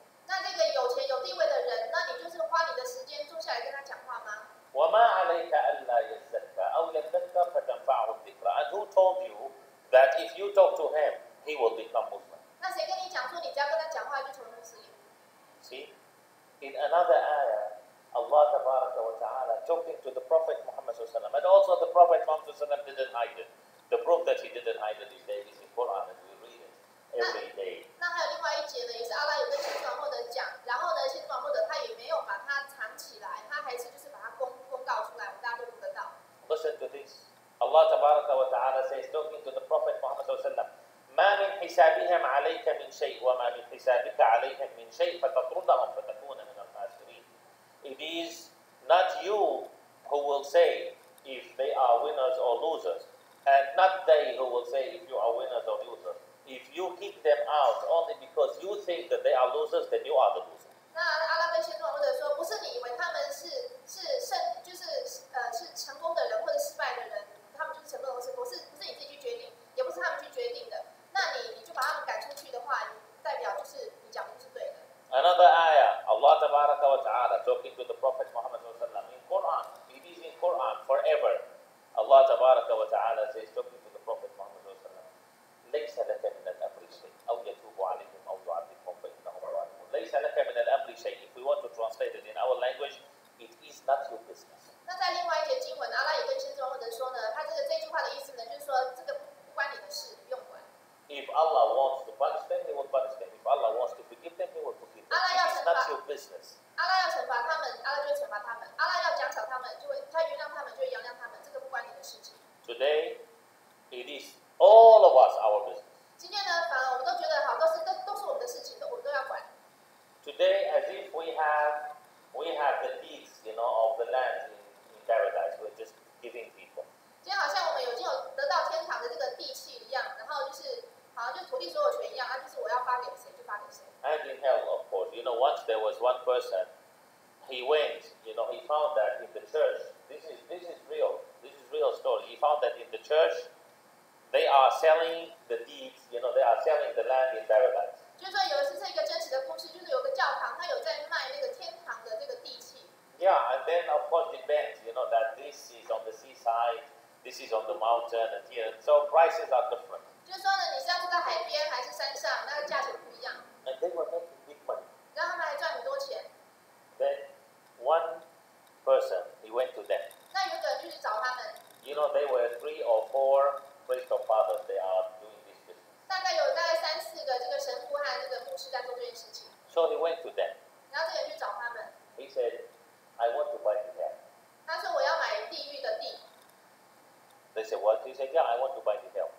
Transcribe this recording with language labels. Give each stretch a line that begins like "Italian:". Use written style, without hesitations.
Chinese: 那个有钱有地位的人那你就是花你的时间坐下来跟他讲话吗
Arabic: وما عليك ألا يزكى أو يذكى فتنفعه الذكرى
English: and who told you that if you talk to him he will become Muslim
Chinese: 那谁跟你讲说你只要跟他讲话就成为穆斯林
English: see in another ayahAllah Tabaraka wa Ta'ala talking to the Prophet Muhammad sallallahu alayhi wa sallam. And also the Prophet Muhammad sallallahu alayhi wa sallam didn't hide it. The proof that he didn't hide it is there is in Quran and we read it every day.
Chinese: 那还有另外一节呢，也是阿拉有跟先知穆罕默德讲，然后呢，先知穆罕默德他也没有把它藏起来，他还是就是把它公告出来，我们大家都读得到。
English: Listen to this. Allah Tabaraka wa Ta'ala says talking to the Prophet Muhammad sallallahu alayhi wa sallam,
Arabic: ما من حسابهم عليك من شيء وما من حسابك عليهم من شيء فتطردهم فتكون من الخاسرين.
English: It is not you who will say if they are winners or losers, and not they who will say if you are winners or losers. If you kick them out only because you think that they are losers, then you are the loser.
Chinese: 那阿拉跟先知穆罕默德说，不是你以为他们是胜，就是是成功的人或者失败的人，他们就是成功的人，不是你自己去决定，也不是他们去决定的。那你就把他们赶出去的话，代表就是你讲的是对的。
English: Another ayah, Allah Tabaraka wa Ta'ala talking to the Prophet Muhammad sallallahu alayhi wa sallam in Quran. It is in Quran forever. Allah Tabaraka wa Ta'ala says talking to the Prophet Muhammad sallallahu alayhi wa sallam,
Arabic: لَيْسَ لَكَ مِنَ الْأَمْرِ شَيْءٍ
English: أَوْ يَتُوبُ عَلَيْهِمْ أَوْ يُعَذِّبُهُمْ فَإِنَّهُمْ ظَالِمُونَ لَيْسَ لَكَ مِنَ الْأَمْرِ شَيْءٍ If we want to translate it in our language, it is not your business.
Chinese: 那在另外一节经文，阿拉也跟先知穆罕默德说呢，他这句话的意思呢，就是说这个不关你的事，不用管。
English: If Allah wants to punish them, He will punish them. If Allah wants to forgive them, He will forgive them.
Chinese: Allah 要惩罚，那是
English: your business.
Chinese: Allah 要惩罚他们 ，Allah 就会惩罚他们。 Allah 要奖赏他们，就会他原谅他们，就会原谅他们。这个不关你的事情。
English: Today, it is all of us our business.
Chinese: 今天呢，反而我们都觉得好，都是我们的事情，我们都要管。
English: Today, as if we have the deeds, you know, of the land in paradise, we're just giving people.
Chinese: 今天好像我们已经有得到天堂的这个地契一样，然后就是。
English: And in hell, of course, you know, once there was one person, he went, you know, he found that in the church, this is real story, he found that in the church, they are selling the deeds, you know, they are selling the land in paradise.
Chinese: 就是说有是一个真实的故事，就是有个教堂，他有在卖那个天堂的这个地契。
English: Yeah, and then of course depends, you know, that this is on the seaside, this is on the mountain, and here, so prices are different.
Chinese: 就是说呢，你是要住在海边还是山上，那个价钱不一样。
English: And they were making big money.
Chinese: 然后他们还赚很多钱。
English: Then one person, he went to them.
Chinese: 那有个人就去找他们。
English: You know, they were three or four crystal fathers, they are doing this business.
Chinese: 大概有大概三四个这个神父和这个牧师在做这件事情。
English: So he went to them.
Chinese: 然后这个人去找他们。
English: He said, I want to buy the hell.
Chinese: 他说我要买地狱的地。
English: They said, what? He said, yeah, I want to buy the hell.